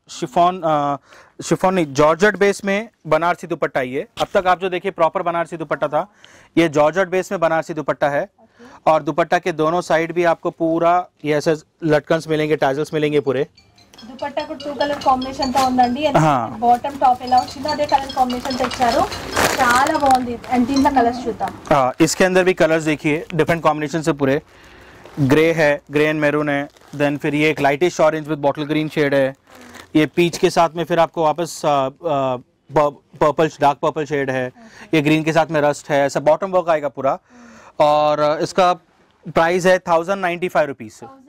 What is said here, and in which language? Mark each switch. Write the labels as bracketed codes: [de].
[hi] Chiffon georgette base में बनारसी दुपट्टा. ये अब तक आप जो देखिए प्रॉपर बनारसी दुपट्टा था, ये जॉर्जेट बेस में बनारसी दुपट्टा है. और दुपट्टा के दोनों साइड भी आपको पूरा ये ऐसे लटकन्स मिलेंगे, टैजल्स मिलेंगे पूरे. दुपट्टा को टू कलर कॉम्बिनेशन तो [te] ఉండండి. [hi] हां [te] बॉटम टॉप ఎలా వచ్చినా అదే కలర్ కాంబినేషన్ తెచ్చారు. చాలా బాగుంది. అండ్ దీని కలర్స్ చూద్దాం. [hi] हां इसके अंदर भी कलर्स देखिए डिफरेंट कॉम्बिनेशन से पूरे. ग्रे है, ग्रे एंड मैरून है. देन फिर ये एक lightish orange with bottle green shade है. ये पीच के साथ में फिर आपको वापस पर्पल, डार्क पर्पल शेड है. ये ग्रीन के साथ में रस्ट है. ऐसा बॉटम वर्क आएगा पूरा. और इसका प्राइस है 1095 रुपीस.